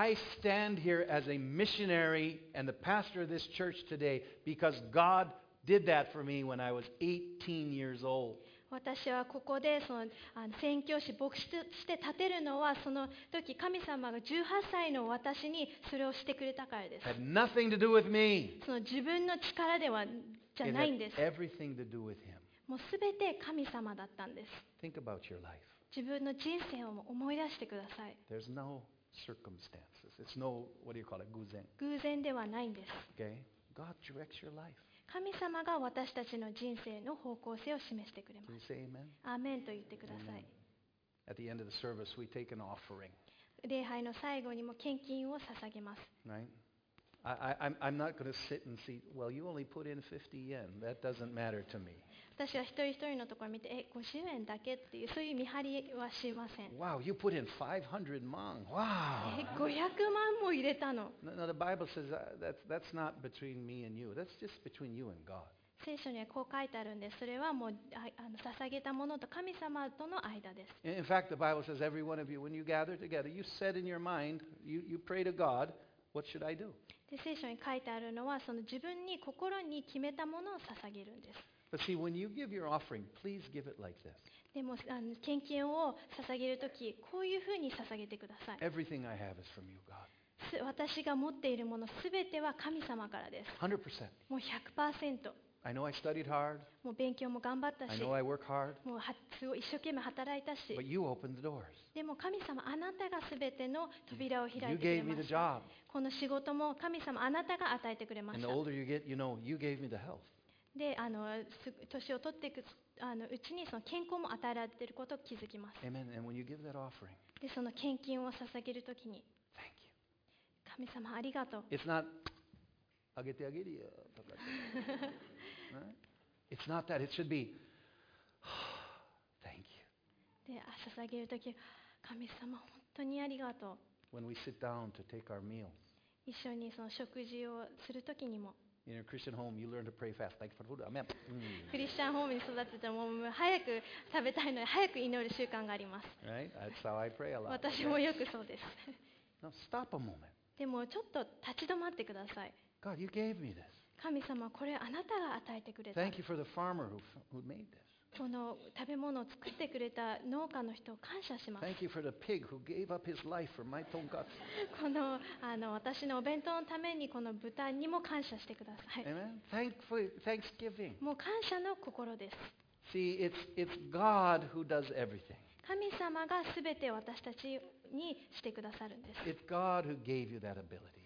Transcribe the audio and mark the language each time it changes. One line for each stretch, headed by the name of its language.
English: I stand here as a missionary and the pastor of this church today because God did that for me when I was 18 years old.
Japanese: 私はここでその宣教師牧師として立てるのはその時神様が18歳の私にそれをしてくれたからです。
English: Had nothing to do with me.
Japanese: その自分の力ではじゃないんです。
English: It had everything to do with him.
Japanese: もうすべて神様だったんです。
English: Think about your life.
Japanese: 自分の人生を思い出してください。
English: There's no circumstances. It's no what do you call it? 偶然。
Japanese: 偶然ではないんです。
English: Okay. God directs your life.
Japanese: 神様が私たちの人生の方向性を示してくれます。
English: Can you say amen?
Japanese: アーメンと言ってください。
English: Amen. At the end of the service, we take an offering.
Japanese: 礼拝の最後にも献金を捧げます。
English: Right? I'm not going to sit and see, well, you only put in 50 yen. That doesn't matter to me.
Japanese: 私は一人一人のところを見て、え、50円だけっていう、そういう見張りはしません。
English: Wow, you put in 500 mong. Wow!
Japanese: え、500万も入れたの。
English: No, the Bible says that's not between me and you. That's just between you and God.
Japanese: 聖書にはこう書いてあるんです。それはもう、捧げたものと神様との間です。
English: In fact, the Bible says every one of you, when you gather together, you said in your mind, you pray to God, what should I do?
Japanese: で、聖書に書いてあるのは、その自分に心に決めたものを捧げるんです。
English: But see, when you give your offering, please give it like this.
Japanese: でも、献金を捧げるとき、こういうふうに捧げてください。
English: Everything I have is from you, God.
Japanese: 私が持っているものすべては神様からです。
English: 100%。
Japanese: もう 100%。
English: I know I studied hard.
Japanese: もう勉強も頑張ったし。
English: I know I work hard.
Japanese: もうすごい一生懸命働いたし。
English: But you opened the doors.
Japanese: でも神様、あなたがすべての扉を開いてくれました。
English: You gave me the job.
Japanese: この仕事も神様、あなたが与えてくれました。
English: And the older you get, you know, you gave me the health.
Japanese: で、年を取っていくうちにその健康も与えられていることを気づきます。
English: Amen. And when you give that offering,
Japanese: で、その献金を捧げるときに、
English: Thank you.
Japanese: 神様ありがとう。
English: It's not,
Japanese: あげてあげるよとか。
English: It's not that. It should be, Thank you.
Japanese: で、捧げるとき、神様本当にありがとう。
English: When we sit down to take our meals,
Japanese: 一緒にその食事をするときにも、
English: In your Christian home, you learn to pray fast. Thank you for the food. Amen. Christian home
Japanese: に育てても早く食べたいので早く祈る習慣があります。
English: Right? That's how I pray a lot.
Japanese: 私もよくそうです。
English: Stop a moment.
Japanese: でもちょっと立ち止まってください。
English: God, you gave me this.
Japanese: 神様、これあなたが与えてくれた。
English: Thank you for the farmer who made this.
Japanese: この食べ物を作ってくれた農家の人を感謝します。
English: Thank you for the pig who gave up his life for my tonkatsu.
Japanese: この、私のお弁当のためにこの豚にも感謝してください。
English: Amen. Thanksgiving.
Japanese: もう感謝の心です。
English: See, it's God who does everything.
Japanese: 神様がすべてを私たちにしてくださるんです。
English: It's God who gave you that ability.